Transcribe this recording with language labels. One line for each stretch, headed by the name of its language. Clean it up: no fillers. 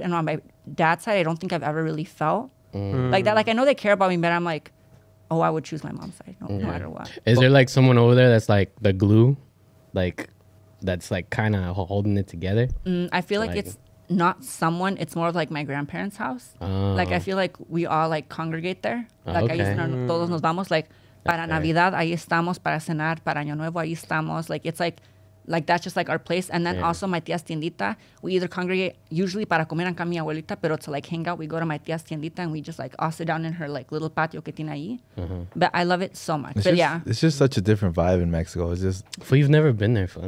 English: And on my dad's side, I don't think I've ever really felt like that. Like I know they care about me, but I'm like, oh, I would choose my mom's side no matter what. Is there like someone over there that's like the glue? Like that's like kind of holding it together? I feel like it's not someone. It's more of like my grandparents' house. Like I feel like we all like congregate there.
Spanish: Like ahí están, todos nos vamos. Like para Navidad ahí estamos, para cenar, para Año Nuevo ahí estamos.
English: Like it's like that's just like our place. And then also my tía's tiendita, we either congregate usually
Spanish: para comer acá mi abuelita, pero
English: to like hang out, we go to my tía's tiendita and we just like all sit down in her like little patio
Spanish: que tiene ahí.
English: But I love it so much. It's just such a different vibe in Mexico. It's just... Well, you've never been there.